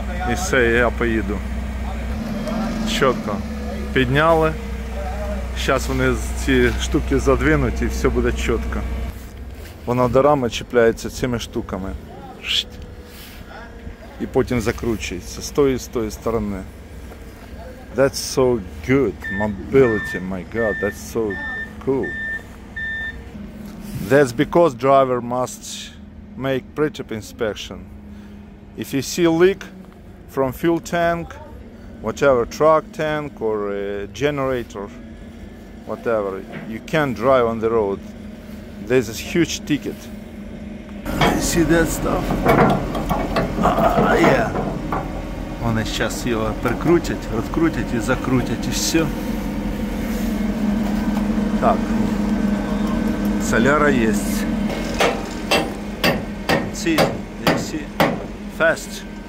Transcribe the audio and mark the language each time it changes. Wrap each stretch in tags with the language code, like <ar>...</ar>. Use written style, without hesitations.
<uk>І все, я поїду. Чітко. Підняли. Зараз вони ці штуки задвинуть і все буде чітко. Вона до рами чіпляється цими штуками. І потім закручується з тої сторони.</uk> <en>That's so good. Mobility, my God, that's so cool. That's because driver must make pre-trip inspection. If you see leak from fuel tank, whatever, truck tank or generator, whatever, you can't drive on the road. This is huge ticket. See that stuff? Yeah.</en> <uk>Вони зараз його прикрутять, розкрутять і закрутять, і все. Так. Соляра є.</uk> <en>See, they see. Fast.</en>